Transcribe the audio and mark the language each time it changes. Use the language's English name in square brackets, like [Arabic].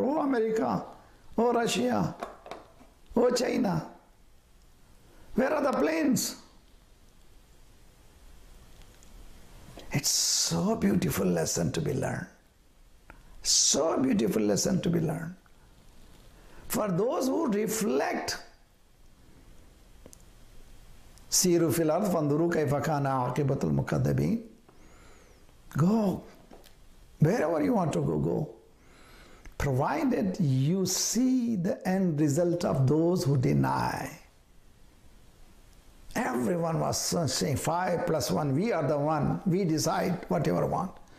[English] Oh, America. Oh, Russia. Oh, China. Where are the planes? It's so beautiful lesson to be learned. So beautiful lesson to be learned. For those who reflect, [Arabic] سِيرُ فِي الْأَرْضِ فَانْدُرُوا كَيْفَ كَانَ عَاقِبَةُ الْمُكَذَّبِينَ. [English] Go. Wherever you want to go, go. Provided you see the end result of those who deny. Everyone was saying 5 plus 1, we are the one, we decide whatever we want.